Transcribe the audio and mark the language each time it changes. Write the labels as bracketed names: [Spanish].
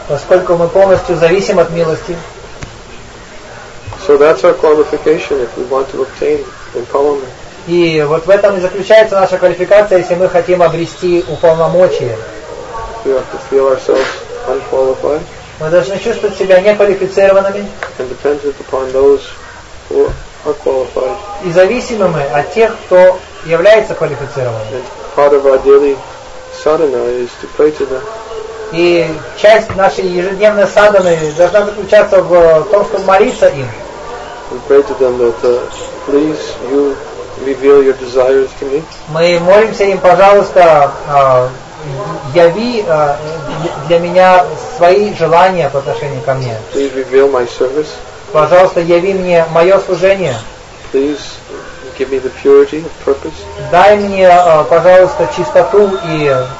[Russian] Поскольку мы полностью зависим от милости. [English] So that's our qualification if we want to obtain empowerment. [Russian] И вот в этом и заключается наша квалификация, если мы хотим обрести уполномочие. [English] We have to feel ourselves unqualified. [Russian] Мы должны чувствовать себя неквалифицированными. [English] And dependent upon those who are qualified. [Russian] И зависимыми от тех, кто является квалифицированным. [English] And part of our daily sadhana is to pray to them. [Russian] И часть нашей ежедневной садханы должна заключаться в том, чтобы молиться им. [English] We pray to them that please you reveal your desires to me. [Russian] Мы молимся им, пожалуйста, яви для меня свои желания по отношению ко мне. [English] Please reveal my service. [Russian] Пожалуйста, яви мне мое служение. [English] Please give me the purity of purpose. [Russian] Дай мне, пожалуйста, чистоту и